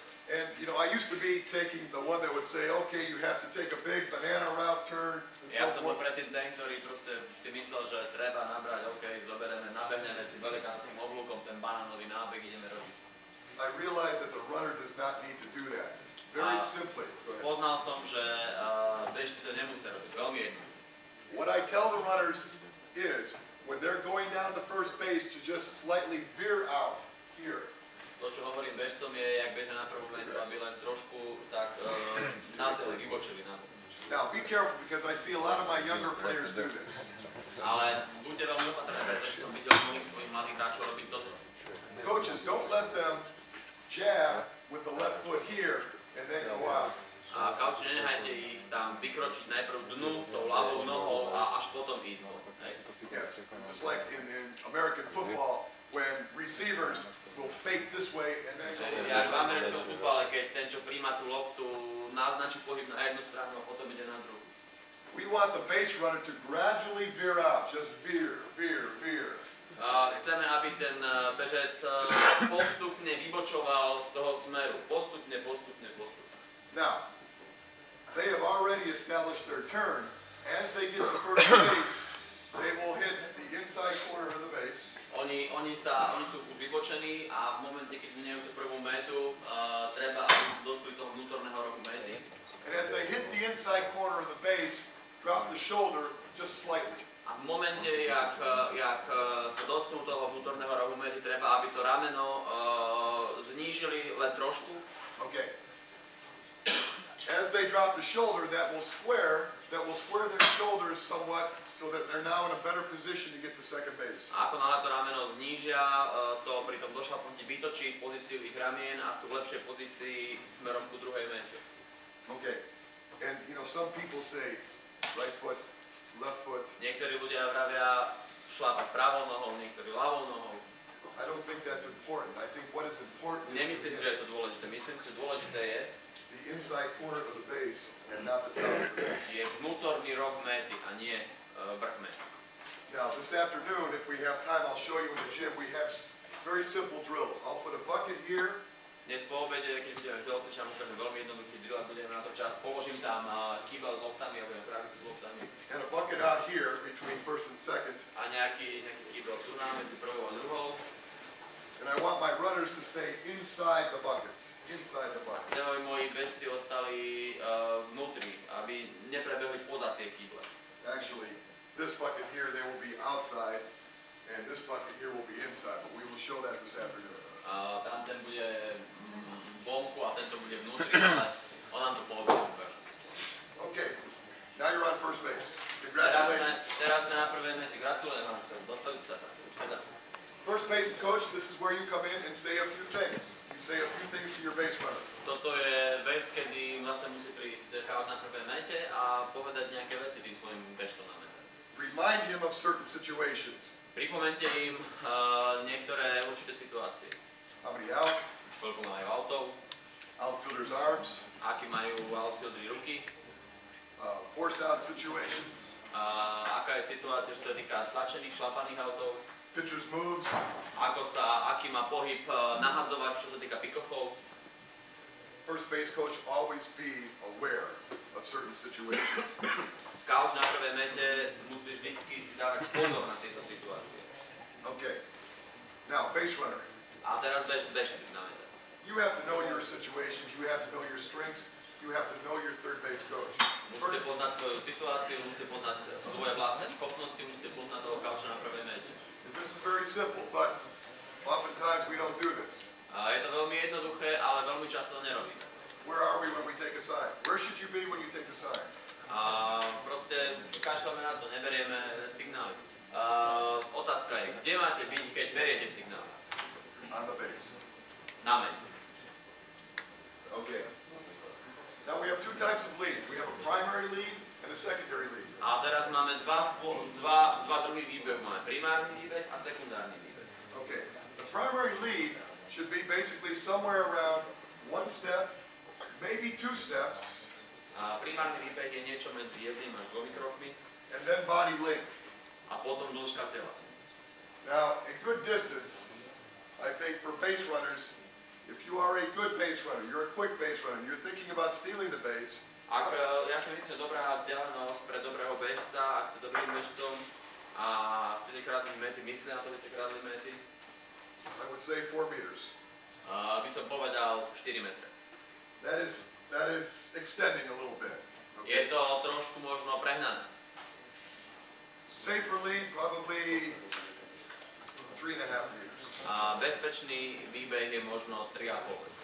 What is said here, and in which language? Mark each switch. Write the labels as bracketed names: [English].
[English] And, you know, I used to be taking the one that would say, okay, you have to take a big banana route turn. [Slovak] Ja som bol predtým ten, ktorý proste si myslel, že treba nabrať, okay, zoberieme, nabehneme si velikánskym oblúkom, ten banánový nábeh ideme robiť. [English] I realized that the runner does not need to do that. Very simply. [Slovak] Poznal som, že bežci to nemusia robiť. Veľmi jedno. [English] What I tell the runners is, when they're going down to first base, to just slightly veer out here. [Slovak] To, čo hovorím bežcom, je, jak bežia na prvú metu, aby len trošku tak nadali, vybočili na prvú. [English] Now, be careful, because I see a lot of my younger players do this. [Slovak] Ale buďte veľmi opatrné, že som videl mnohých svojich mladých hráčov robiť toto. [English] Coaches, don't let them jab with the left foot here. And then go out. [Slovak] A kauči, nenehajte ich tam vykročiť najprv dnu, tou ľavou nohou a až potom ísť. [English] Yes, just like in American football, when receivers will fake this way and then... [Slovak] Ja v americkom futbale, keď ten, čo prijíma tú loptu, naznačí pohyb na jednu stranu a potom ide na druhú. [English] We want the base runner to gradually veer out, just veer, veer, veer. [Slovak] Chceme, aby ten bežec postupne vybočoval z toho smeru. Postupne, postupne, postupne. [English] Now, they have already established their turn. As they get the first base, they will hit the inside corner of the base. [Slovak] Oni sú už vybočení a v momente, keď minejú tú prvú metu, treba, aby sa dotkli toho vnútorného rohu mety. [English] And as they hit the inside corner of the base, drop the shoulder just slightly. [Slovak] A v momente, jak sa dotknú toho vnútorného rohu mety, treba, aby to rameno znížili len trošku. [English] Okay. As they drop the shoulder, that will square their shoulders somewhat so that they're now in a better position to get to second base. [Slovak] Ako náhle to rameno znížia, to pri tom došlapnutí vytočí pozíciu ich ramien a sú v lepšej pozícii smerom ku druhej mete. [English] Okay. And you know, some people say right foot, left foot. [Slovak] Niektorí ľudia vravia šlapať pravou nohou, niektorí ľavou nohou. [English] I don't think that's important. I think what is important is... [Slovak] Nemyslím, že je to dôležité. Myslím, že dôležité je... [English] The inside corner of the base and not the top of the base. [Slovak] Je vnútorný roh mety a nie vrch mety. [English] Now, this afternoon, if we have time, I'll show you in the gym. We have very simple drills. I'll put a bucket here. [Slovak] Dnes po obede, keď budeme v telocvičení, ja ukážem veľmi jednoduchý drill a budeme na to čas. Položím tam kýbel s loptami a budem praviť s loptami. [English] And a bucket out here between first and second. [Slovak] A nejaký kýbel tu na medzi prvou a druhou. [English] And I want my runners to stay inside the buckets. Inside the buckets. [Slovak] Chcem, aby moji bežci ostali vnútri, aby neprebehli poza tie kýble. [English] Actually, this bucket here, they will be outside, and this bucket here will be inside, but we will show that this afternoon. [Slovak] Tam ten bude vonku a tento bude vnútri, ale on nám to pohľadí. [English] Okay, now you're on first base. Congratulations. [Slovak] Teraz sme na prvej mete. Gratulujem vám. Dostali sa tak. Už teda. [English] First base coach, this is where you come in and say a few things. You say a few things to your base runner. [Slovak] Toto je vec, kedy vlastne musí prísť chávať na prvej mete a povedať nejaké veci tým svojim bežcom na mete. [English] Remind him of certain situations. [Slovak] Pripomente im niektoré určité situácie. [English] How many outs? [Slovak] Koľko majú outov? [English] Outfielder's arms? [Slovak] Aký majú outfieldri ruky? [English] Force out situations? [Slovak] Aká je situácia, čo sa týka tlačených, šlapaných outov? [English] Pitcher's moves? [Slovak] Aký má pohyb nahadzovať, čo sa týka pick-offov? [English] First base coach, always be aware of certain situations. [Slovak] Kauč na prvej mete musí vždycky si dávať pozor na tieto situácie. [English] Okay. Now, base runner. [Slovak] A teraz bežci na mete. [English] You have to know your situations, you have to know your strengths, you have to know your third base coach. [Slovak] Musíte poznať svoju situáciu, musíte poznať svoje vlastné schopnosti, musíte poznať toho kauča na prvej mete. [English] And this is very simple, but oftentimes we don't do this. [Slovak] Je to veľmi jednoduché, ale veľmi často to nerobíme. [English] Where are we when we take a side? Where should you be when you take a side? [Slovak] Proste kašľame na to, neberieme signály. Otázka je, kde máte byť, keď beriete signály? [English] On the base. [Slovak] Na mete. [English] Okay. Now we have two types of leads. We have a primary lead and a secondary lead. [Slovak] A teraz máme dva druhý výbeh. Máme primárny výbeh a sekundárny výbeh. [English] Okay. The primary lead should be basically somewhere around one step, maybe two steps. [Slovak] A primárny výbeh je niečo medzi jedným až dvomi krokmi. [English] And then body length. [Slovak] A potom dĺžka tela. [English] Now, a good distance, I think, for base runners, if you are a good base runner, you're a quick base runner, you're thinking about stealing the base. [Slovak] Ja si myslím, dobrá vzdialenosť pre dobrého bežca, ak ste dobrým bežcom a chcete krátiť mety, myslíte na to, že ste krátili mety? [English] I would say 4 meters. [Slovak] By som povedal 4 metre. [English] That is extending a little bit. [Slovak] Okay. Je to trošku možno prehnané. [English] Safer lead, probably 3.5 meters. [Slovak] Bezpečný výbeh je možno 3.5 metra.